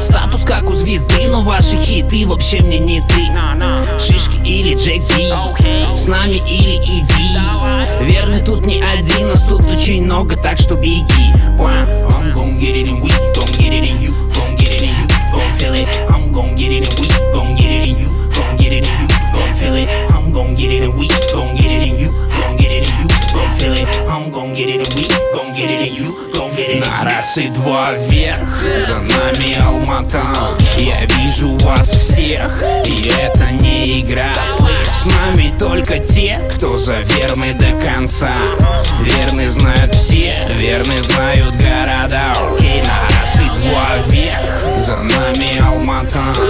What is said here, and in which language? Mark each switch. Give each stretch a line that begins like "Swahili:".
Russian: Статус как у звезды, но ваши хиты вообще мне не ты. Шишки или Джек Ди, с нами или иди. Верный тут не один, нас тут очень много, так что беги.
English: I'm gon' get it and we gon' get it and you gon' get it and you gon' feel it. I'm gon' get it and we gon' get it and you gon' get it and you gon' feel it. I'm gon' get it and we gon' get it and you gon' get it and you gon' feel it. I'm gon' get it and we gon' get it and you gon' get it.
Russian: На раз и два вверх, за нами Алмата. Я вижу вас всех, и это не игра. С нами только те, кто за верный до конца. Верный знают все, верный знают города. Окей, на раз и два вверх, за нами Алмата.